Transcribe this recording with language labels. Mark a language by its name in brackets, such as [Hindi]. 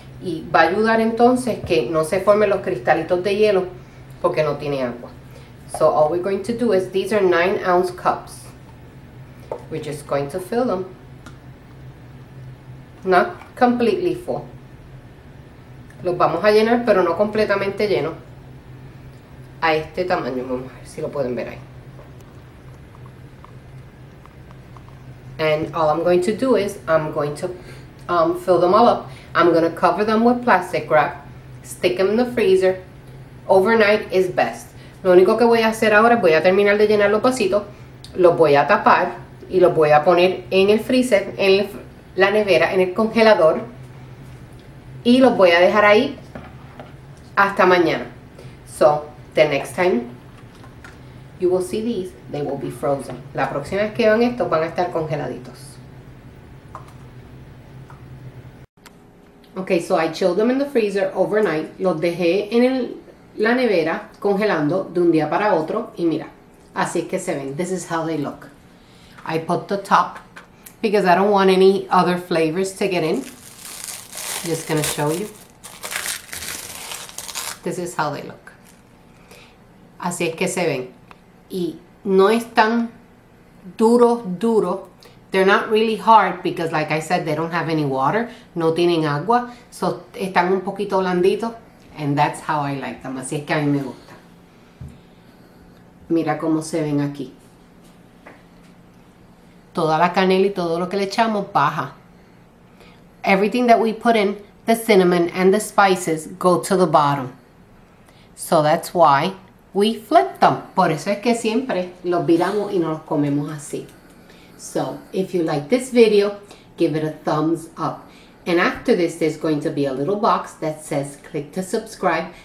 [Spanish] Y va a ayudar entonces que no se formen los cristalitos de hielo porque no tiene agua. [English] So all we're going to do is, these are 9-ounce cups. We're just going to fill them. Not completely full. [Spanish] Los vamos a llenar, pero no completamente lleno. A este tamaño, vamos a ver si lo pueden ver ahí. [English] And all I'm going to do is, I'm going to fill them all up. I'm going to cover them with plastic wrap. Stick them in the freezer. Overnight is best. [Spanish] Lo único que voy a hacer ahora es voy a terminar de llenar los vasitos. Los voy a tapar y los voy a poner en el freezer, en el la nevera, en el congelador, y los voy a dejar ahí hasta mañana. [English] So, the next time you will see these, they will be frozen. [Spanish] La próxima vez que vean estos, van a estar congeladitos. [English] Okay, so I chilled them in the freezer overnight. [Spanish] Los dejé en la nevera congelando de un día para otro, y mira, así es que se ven. [English] This is how they look. I put the top because I don't want any other flavors to get in. Just gonna show you. This is how they look. [Spanish] Así es que se ven. Y no están duro, duro. [English] They're not really hard because, like I said, they don't have any water. [Spanish] No tienen agua. So, están un poquito blanditos. [English] And that's how I like them. [Spanish] Así es que a mí me gusta. Mira cómo se ven aquí. Toda la canela y todo lo que le echamos baja. [English] Everything that we put in, the cinnamon and the spices, go to the bottom. So that's why we flip them. [Spanish] Por eso es que siempre los viramos y no los comemos así. [English] So, if you like this video, give it a thumbs up. And after this, there's going to be a little box that says click to subscribe.